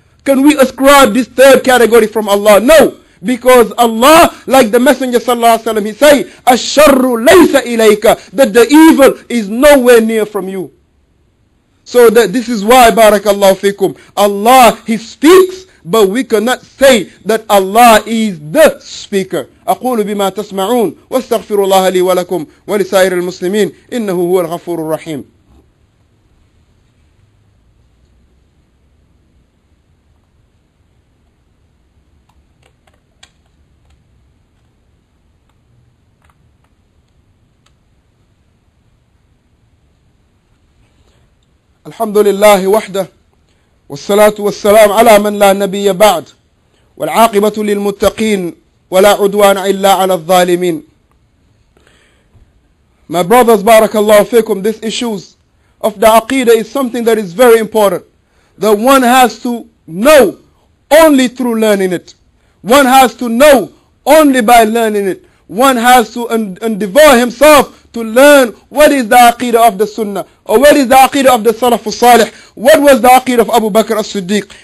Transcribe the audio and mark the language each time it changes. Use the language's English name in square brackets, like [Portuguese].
[English] Can we ascribe this third category from Allah? No. Because Allah, like the Messenger sallallahu alayhi wa sallam, he say, [Arabic] Ash-sharru laysa ilayka, [English] that the evil is nowhere near from you. So that this is why, barakallahu fikum, Allah, He speaks, but we cannot say that Allah is the speaker. [Arabic] أقول بما تسمعون واستغفر الله لي ولكم ولسائر المسلمين إنه هو الغفور الرحيم. الحمد لله وحده والصلاة والسلام على من لا نبي بعد والعاقبة للمتقين ولا عدوان إلا على الظالمين. [English] My brothers, barakallahu feekum, these issues of the aqidah is something that is very important that one has to know only through learning it. One has to know only by learning it. One has to devote himself to learn what is the aqidah of the sunnah, or what is the aqidah of the salaf al-salih, what was the aqidah of Abu Bakr as-Siddiq.